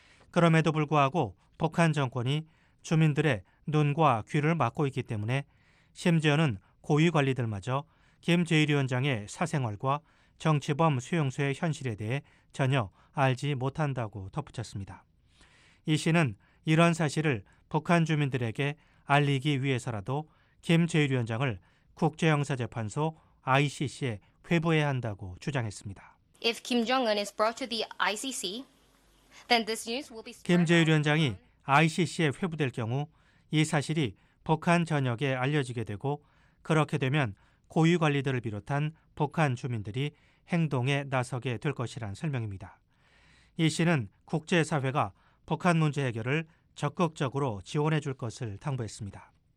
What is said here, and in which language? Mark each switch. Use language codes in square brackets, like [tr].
[ko] 그럼에도 불구하고 북한 정권이 주민들의 눈과 귀를 막고 있기 때문에 심지어는 고위관리들마저 김 제1위원장의 사생활과 정치범 수용소의 현실에 대해 전혀 알지 못한다고 덧붙였습니다. 이 씨는 이런 사실을 북한 주민들에게 알리기 위해서라도 김 제1위원장을 국제형사재판소 ICC에 회부해야 한다고 주장했습니다. [en] If Kim Jong-un is brought to the ICC, then this news will be. [ko] 김 제1위원장이 ICC에 회부될 경우 이 사실이 북한 전역에 알려지게 되고 그렇게 되면 고위 관리들을 비롯한 북한 주민들이 행동에 나서게 될 것이란 설명입니다. 이 씨는 국제사회가 북한 문제 해결을 적극적으로 지원해 줄 것을 당부했습니다.